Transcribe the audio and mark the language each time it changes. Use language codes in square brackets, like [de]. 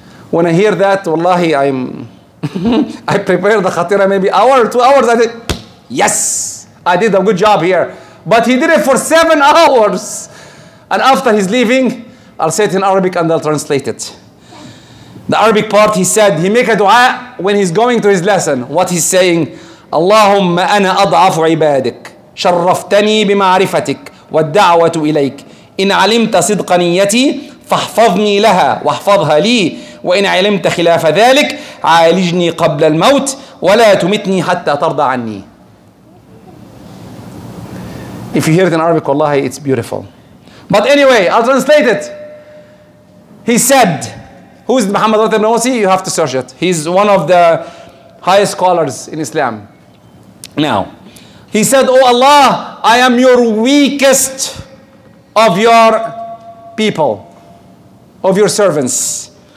[en] When I hear that, wallahi, I prepare the khatira maybe hour or 2 hours. I think, yes, I did a good job here. But he did it for 7 hours. And after he's leaving, I'll say it in Arabic and I'll translate it. The Arabic part, he said, he make a dua when he's going to his lesson. What he's saying, [ar] اللهم أنا أضعف عبادك شرفتني بمعرفتك والدعوة إليك إن علمت صدق نيتي فاحفظني لها واحفظها لي وإن علمت خلاف ذلك عالجني قبل الموت ولا تمتني حتى ترضى عني. [en] If you hear it in Arabic, والله it's beautiful. But anyway, I'll translate it. He said, who is Muhammad Ratib Nawasi? You have to search it. He's one of the highest scholars in Islam. Now, he said, oh Allah, I am your weakest of your people, of your servants.